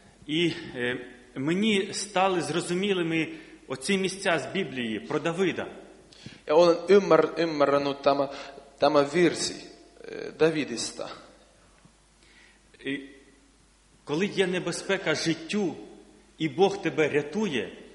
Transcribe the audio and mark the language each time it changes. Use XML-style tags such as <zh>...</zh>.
<uk>І мені стали зрозумілими оці місця з Біблії про Давида.</uk> <fi>Ja olen ymmärrännyt tämä virsi Davidista.</fi> <uk>І коли є небезпека життю, і Бог тебе рятує.</uk>